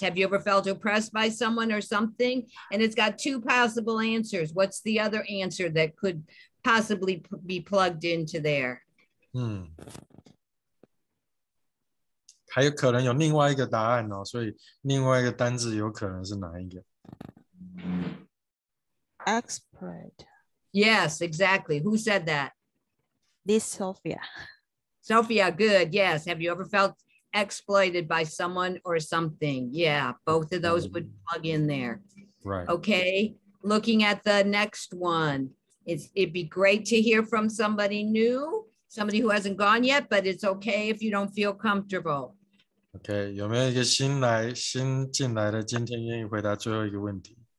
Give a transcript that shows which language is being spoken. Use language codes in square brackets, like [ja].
[en] Have you ever felt oppressed by someone or something? And it's got two possible answers. What's the other answer that could possibly be plugged into there? Hmm. [zh] 还有可能有另外一个答案哦，所以另外一个单字有可能是哪一个 [en] ？Expert. Yes, exactly. Who said that? This Sophia. Sophia, good. Yes. Have you ever felt exploited by someone or something? Yeah, both of those would plug in there. Right. Okay. Looking at the next one. It'd be great to hear from somebody new. Somebody who hasn't gone yet, but it's okay if you don't feel comfortable. [zh] Okay, 有没有一个新进来的今天愿意回答最后一个问题